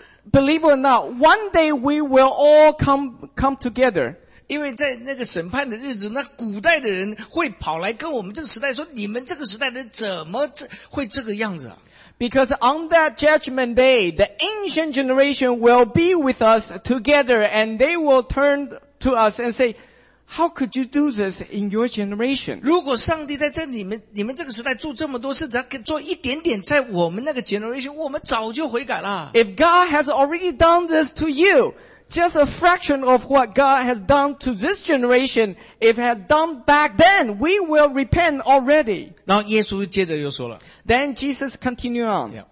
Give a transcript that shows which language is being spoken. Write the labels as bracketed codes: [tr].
[en] Believe it or not, one day we will all come together. [zh] 因为在那个审判的日子，那古代的人会跑来跟我们这个时代说：“你们这个时代的人怎么会这个样子啊？” [en] Because on that judgment day, the ancient generation will be with us together, and they will turn to us and say, how could you do this in your generation? [zh] 如果上帝在这你们这个时代做这么多事，只要做一点点在我们那个 generation, 我们早就悔改了。 [en] If God has already done this to you, just a fraction of what God has done to this generation, if it had done back then, we will repent already. [zh] 然后耶稣接着又说了。 [en] Then Jesus continued on.